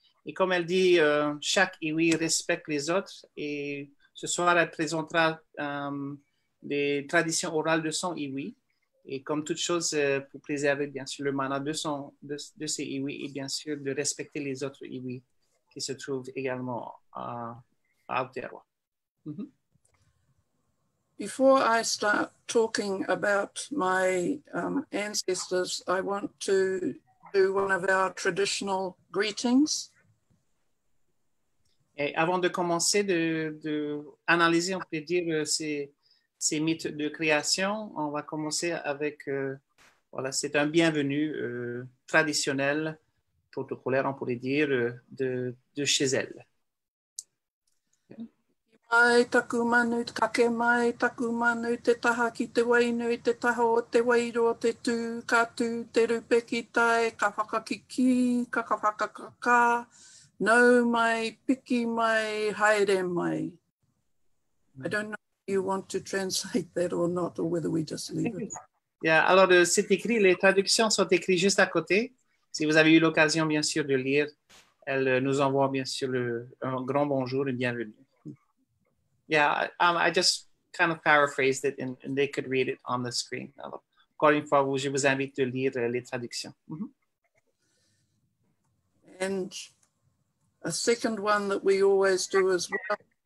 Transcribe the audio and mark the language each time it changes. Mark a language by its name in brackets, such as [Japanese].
[French] Et comme elle dit, chaque iwi respecte les autres. Et ce soir, elle présentera des traditions orales de son iwi. Et comme toute chose, pour préserver bien sûr le mana de ces iwi et bien sûr de respecter les autres iwi qui se trouvent également à Aotearoa. Mm-hmm. [English] Before I start talking about my ancestors, I want to do one of our traditional greetings. [French] Et avant de commencer de analyser, on peut dire ces mythes de création, on va commencer avec, voilà, c'est un bienvenu traditionnel, protocolaire, on pourrait dire, de chez elle. [Māori] Ai taku manu, kake mai taku manu, te taha ki te wainu, te taha o te wairo, te tū, ka tū, te rupe ki tai, ka whakakiki, ka whakakaka, nau mai, piki mai, haere mai. [English] I don't know. You want to translate that or not, or whether we just leave it? [French] Yeah, alors c'est écrit, les traductions sont écrites juste à côté. Si vous avez eu l'occasion, bien sûr, de lire, elle nous envoie, bien sûr, un grand bonjour et bienvenue. [English] Yeah, I just kind of paraphrased it and they could read it on the screen. [French] Alors, encore une fois, je vous invite de lire les traductions. Mm-hmm. [English] And a second one that we always do as well.